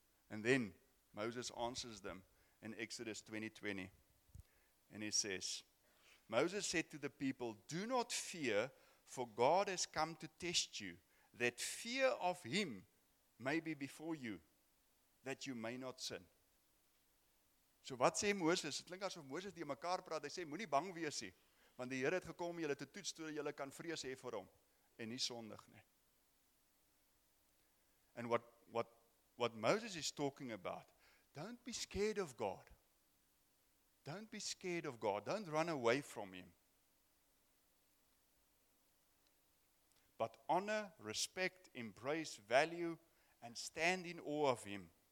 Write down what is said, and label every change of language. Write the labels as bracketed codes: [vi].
[en] And then Moses answers them in Exodus 20:20. And he says, "Moses said to the people, 'Do not fear, for God has come to test you, that fear of him may be before you, that you may not sin.'" [af] So wat sê Moses? Dit klink asof Moses die mekaar praat. Hy sê, moenie bang wees nie, want die Here het gekom om julle te toets, sodat julle kan vrees hê vir hom en nie sondig nie. [en] And what Moses is talking about, don't be scared of God. Don't be scared of God. Don't run away from him. But honor, respect, embrace, value, and stand in awe of him.